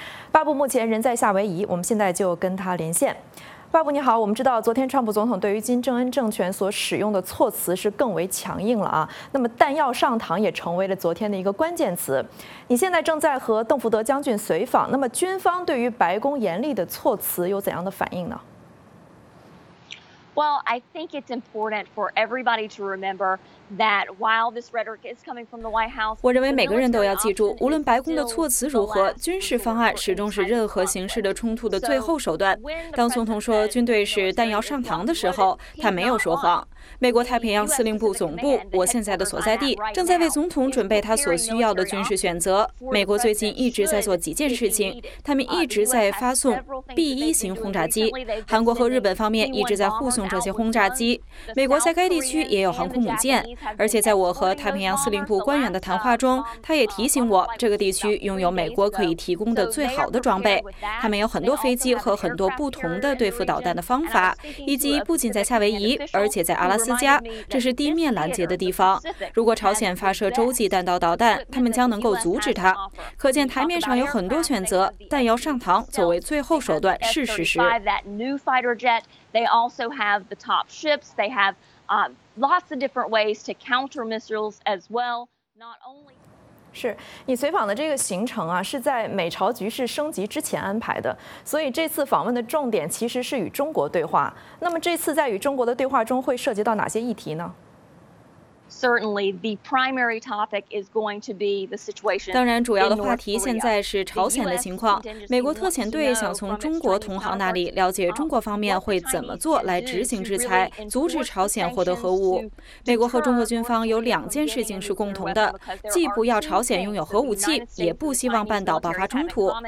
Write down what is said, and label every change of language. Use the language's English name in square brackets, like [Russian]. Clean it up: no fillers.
[Chinese] 巴布目前人在夏威夷，我们现在就跟他连线。巴布你好，我们知道昨天川普总统对于金正恩政权所使用的措辞是更为强硬了啊。那么弹药上膛也成为了昨天的一个关键词。你现在正在和邓福德将军随访，那么军方对于白宫严厉的措辞有怎样的反应呢？ [English] Well, I think it's important for everybody to remember that while this rhetoric is coming from the White House, [Chinese] 我认为每个人都要记住，无论白宫的措辞如何，军事方案始终是任何形式的冲突的最后手段。当总统说军队是弹药上膛的时候，他没有说谎。美国太平洋司令部总部，我现在的所在地，正在为总统准备他所需要的军事选择。美国最近一直在做几件事情，他们一直在发送 B-1 型轰炸机，韩国和日本方面一直在护送这些轰炸机。美国在该地区也有航空母舰，而且在我和太平洋司令部官员的谈话中，他也提醒我，这个地区拥有美国可以提供的最好的装备。他们有很多飞机和很多不同的对付导弹的方法，以及不仅在夏威夷，而且在阿拉斯加，这是地面拦截的地方。如果朝鲜发射洲际弹道导弹，他们将能够阻止它。可见台面上有很多选择，弹药上膛作为最后手段是事实。 [English] That new fighter jet, they also have the top ships. They have lots of different ways to counter missiles as well. Not only. [Chinese] 是你随访的这个行程啊，是在美朝局势升级之前安排的，所以这次访问的重点其实是与中国对话。那么这次在与中国的对话中会涉及到哪些议题呢？ [English] Certainly, the primary topic is going to be the situation. [Chinese] 当然，主要的话题现在是朝鲜的情况。美国特遣队想从中国同行那里了解中国方面会怎么做来执行制裁，阻止朝鲜获得核武。美国和中国军方有两件事情是共同的，既不要朝鲜拥有核武器，也不希望半岛爆发冲突。